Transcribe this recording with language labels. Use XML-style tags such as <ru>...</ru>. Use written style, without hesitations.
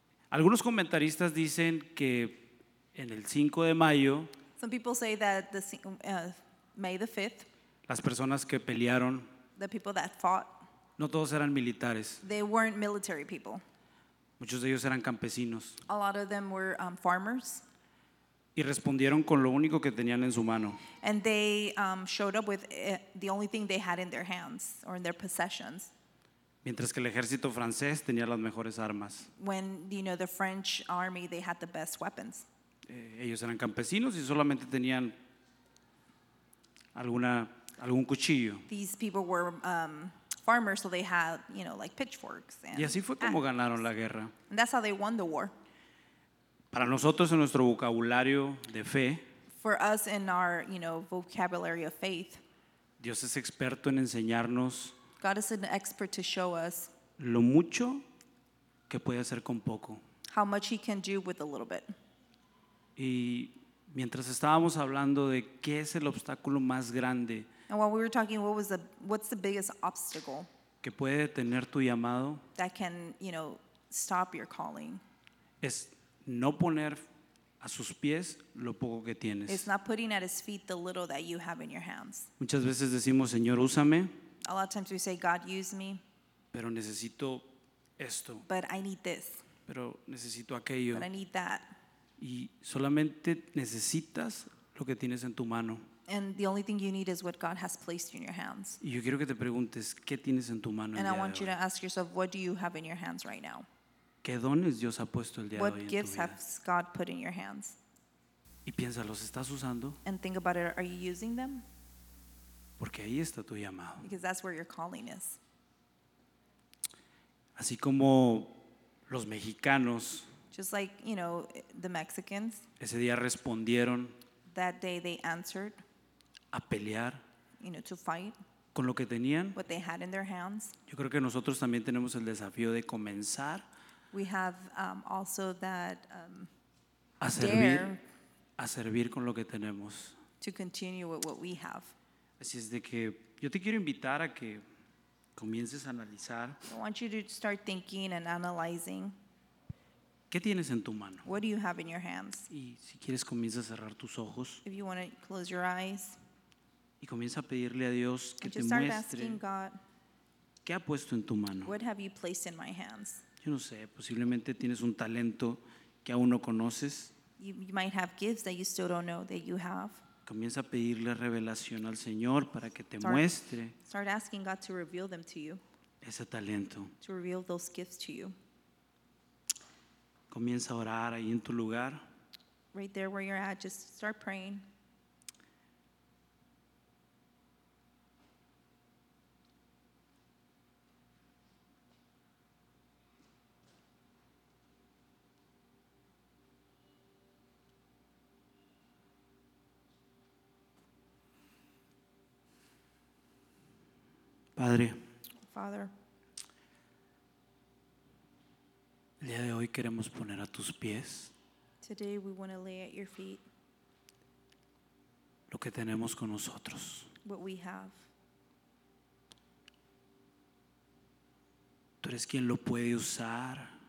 <es>Algunos comentaristas dicen que en el 5 de mayo.</es> <en>Some people say that the May the 5th.</en> <es>Las personas que pelearon.</es> <en>The people that fought.</en> <es>No todos eran militares.</es> <en>They weren't military people.</en> <es>Muchos de ellos eran campesinos.</es> <en>A lot of them were farmers.</en> <es>Y respondieron con lo único que tenían en su mano.</es> <en>And they showed up with the only thing they had in their hands or in their possessions.</en> <es>Mientras que el ejército francés tenía las mejores armas.</es> <en>When you know the French army, they had the best weapons.</en> <es>Ellos eran campesinos y solamente tenían algún cuchillo.</es> <en>These people were farmers, so they had, you know, like pitchforks.</en> <es>Y así fue como ganaron la guerra.</es> <en>And that's how they won the war.</en> <es>Para nosotros en nuestro vocabulario de fe.</es> <en>For us in our, you know, vocabulary of faith.</en> <es>Dios es experto en enseñarnos.</es> <en>God is an expert to show us.</en> <es>Lo mucho que puede hacer con poco.</es> <en>How much he can do with a little bit.</en> <es>Y mientras estábamos hablando de qué es el obstáculo más grande.</es> <en>And while we were talking, what's the biggest obstacle?</en> <es>Que puede detener tu llamado.</es> <en>That can, you know, stop your calling.</en> <es>Es no poner a sus pies lo poco que tienes.</es> <en>It's not putting at his feet the little that you have in your hands.</en> <es>Muchas veces decimos, Señor, úsame.</es> <en>A lot of times we say, God, use me.</en> <es>Pero necesito esto.</es> <en>But I need this.</en> <es>Pero necesito aquello.</es> <en>But I need that.</en> <es>Y solamente necesitas lo que tienes en tu mano.</es> <en>And the only thing you need is what God has placed in your hands.</en> <es>Y yo quiero que te preguntes, ¿qué tienes en tu mano el de hoy?</es> <en>And I want you to ask yourself, what do you have in your hands right now?</en> <es>¿Qué dones Dios ha puesto el día de hoy en tu vida?</es> <en>What gifts has God put in your hands?</en> <es>Y piensa, ¿los estás usando?</es> <en>And think about it, are you using them?</en> <es>Porque ahí está tu llamado.</es> <en>Because that's where your calling is.</en> <es>Así como los mexicanos.</es> <en>Just like, you know, the Mexicans.</en> <es>Ese día respondieron.</es> <en>That day they answered.</en> <es>A pelear.</es> <en>You know, to fight.</en> <es>Con lo que tenían.</es> <en>What they had in their hands.</en> <es>Yo creo que nosotros también tenemos el desafío de comenzar.</es> <en>We have also that</en> <es>a servir, a servir con lo que tenemos.</es> <en>To continue with what we have.</en> <es>Así es de que yo te quiero invitar a que comiences a analizar.</es> <en>I want you to start thinking and analyzing.</en> <es>¿Qué tienes en tu mano?</es> <en>What do you have in your hands?</en> <es>Y si quieres, comienza a cerrar tus ojos.</es> <en>If you want to close your eyes.</en> <es>Y comienza a pedirle a Dios que te muestre.</es> <en>Just start asking God.</en> <es>¿Qué ha puesto en tu mano?</es> <en>What have you placed in my hands?</en> <es>Yo no sé, posiblemente tienes un talento que aún no conoces.</es> <en>You might have gifts that you still don't know that you have.</en> <es>Comienza a pedirle revelación al Señor para que te muestre.</es> <en>Start asking God to reveal them to you.</en> <es>Ese talento.</es> <en>To reveal those gifts to you.</en> <es>Comienza a orar ahí en tu lugar.</es> <en>Right there where you're at, just start praying.</en> <es>Padre,</es> <en>Father,</en> <es>el día de hoy queremos poner a tus pies.</es> <en>Today we want to lay at your feet.</en> <es>Lo que tenemos con nosotros.</es> <en>What we have.</en> <es>Tú eres quien lo puede usar.</es>